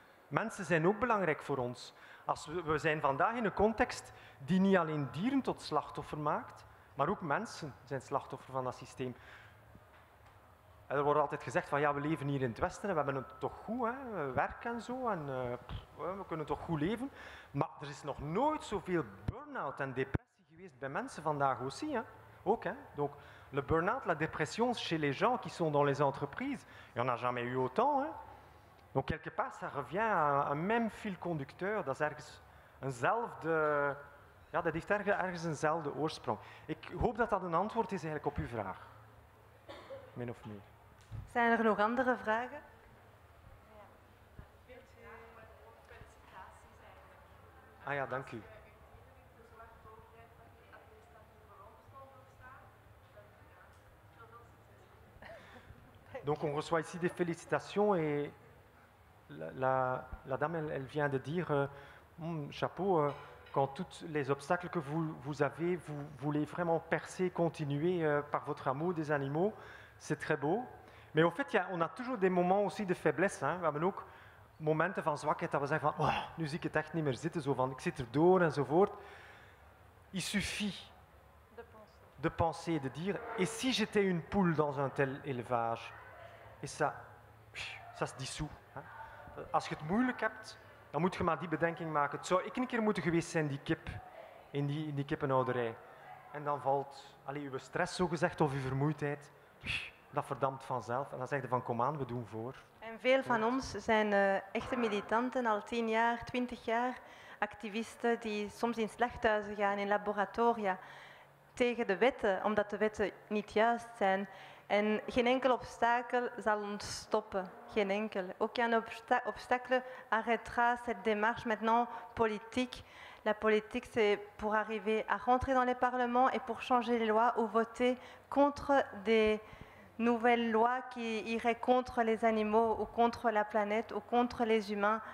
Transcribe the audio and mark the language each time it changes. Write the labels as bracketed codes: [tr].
[nl] Mensen zijn ook belangrijk voor ons. Als we zijn vandaag in een context die niet alleen dieren tot slachtoffer maakt, maar ook mensen zijn slachtoffer van dat systeem. Er wordt altijd gezegd van ja, we leven hier in het Westen en we hebben het toch goed, hè? Werk en zo, en we kunnen toch goed leven. Maar er is nog nooit zoveel burn-out en depressie geweest bij mensen vandaag ook, hè? [fr] Aucun. Donc, le burn-out, la dépression chez les gens qui sont dans les entreprises, il n'y en a jamais eu autant. Hein. Donc, quelque part, ça revient à un même fil conducteur, dans un zelf de. [nl] Ja, dat heeft ergens eenzelfde oorsprong. Ik hoop dat dat een antwoord is eigenlijk op uw vraag. Min of meer. Zijn er nog andere vragen? Ah ja, dank u. [fr] Donc on reçoit ici des félicitations et la dame elle vient de dire chapeau quand tous les obstacles que vous avez, vous voulez vraiment percer, continuer par votre amour des animaux, c'est très beau. Mais au fait, on a toujours des moments aussi de faiblesse. Hein. [nl] We hebben ook momenten van zwakheid, dat we zeggen van, oh, nu zie ik het echt niet meer zitten, zo van, ik zit erdoor enzovoort. [fr] Il suffit de penser, de dire, et si j'étais une poule dans un tel élevage? Et ça se dissout. Hein. [nl] Als je het moeilijk hebt, dan moet je maar die bedenking maken. Het zou ik een keer moeten geweest zijn, die kip, in die kippenhouderij. En dan valt allez, uw stress, zogezegd, of uw vermoeidheid, dat verdampt vanzelf. En dan zeg je van, kom aan, we doen voor. En veel van ons zijn echte militanten, al 10 jaar, 20 jaar, activisten die soms in slachthuizen gaan, in laboratoria, tegen de wetten, omdat de wetten niet juist zijn. En geen enkel obstakel zal ons stoppen. Geen enkel. [fr] Aucun obstacle arrêtera cette démarche maintenant politique. La politique, c'est pour arriver à rentrer dans les parlements et pour changer les lois ou voter contre des nouvelles lois qui iraient contre les animaux ou contre la planète ou contre les humains.